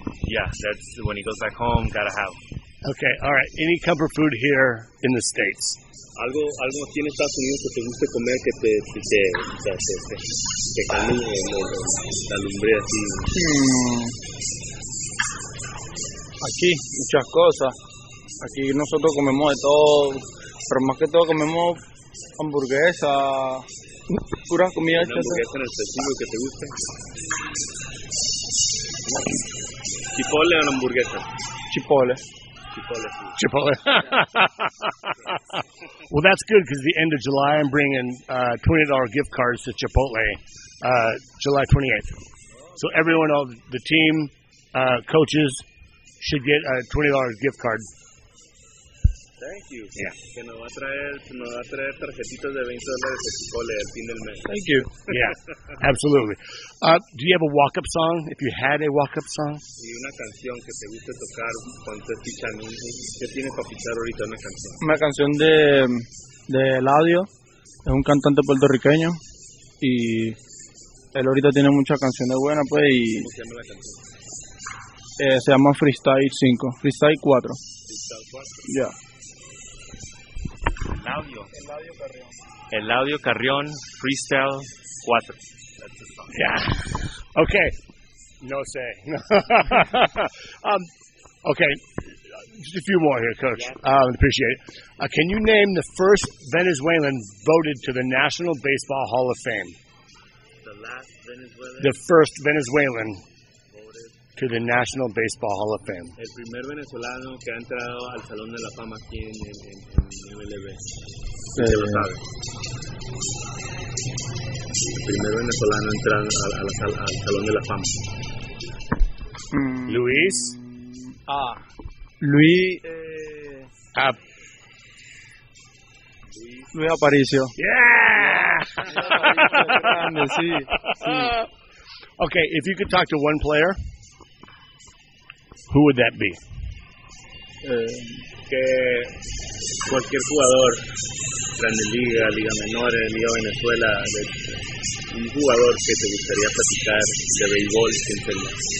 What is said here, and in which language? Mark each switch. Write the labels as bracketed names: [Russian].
[English] Yeah, that's when he goes back home, gotta have. Okay, all right. Any comfort food here in the States? [Spanish] Algo aquí en Estados Unidos que te guste comer que te calme la lumbre así. Aquí, muchas cosas. Aquí nosotros comemos de todo, pero más que todo comemos hamburguesa, puras comidas hechas. ¿Una hamburguesa en específico que te guste? ¿Chipotle o una hamburguesa? Chipotle. Chipotle. Sí. Chipotle. [English] Well, that's good because the end of July I'm bringing $20 gift cards to Chipotle July 28th. So everyone on the team, coaches, should get a $20 gift card. Thank you. Yeah. [Spanish] Que nos va a traer, tarjetitas de $20 de Chipotle al fin del mes. [English] Thank you. Yeah, absolutely. Do you have a walk-up song, if you had a walk-up song? [Spanish] Y una canción que te guste tocar cuando te pichan. ¿Qué tienes para pichar ahorita una canción? Una canción de Eladio. Es un cantante puertorriqueño. Y él ahorita tiene muchas canciones buenas, pues. Y ¿cómo se llama la canción? Se llama Freestyle 5. Freestyle 4. Freestyle 4. Ya. Eladio. Eladio Carrión. Eladio Carrión, Freestyle 4. [English] Yeah. Okay. [Spanish] No sé. [English] okay. Just a few more here, Coach. Yeah. Appreciate it. Can you name the first Venezuelan voted to the National Baseball Hall of Fame? The last Venezuelan? The first Venezuelan to the National Baseball Hall of Fame. [Spanish] El primer venezolano que ha entrado al Salón de la Fama aquí en MLB. ¿Se lo sabe? El primer venezolano entrado al Salón de la Fama. Luis. Luis. Luis Aparicio. [English] Yeah. [Spanish] Luis Aparicio, grande, sí. [English] Okay, if you could talk to one player, who would that be? [Spanish] Que cualquier jugador, Grande Liga, Liga Menores, Liga Venezuela, un jugador que te gustaría platicar de béisbol, ¿quién sería?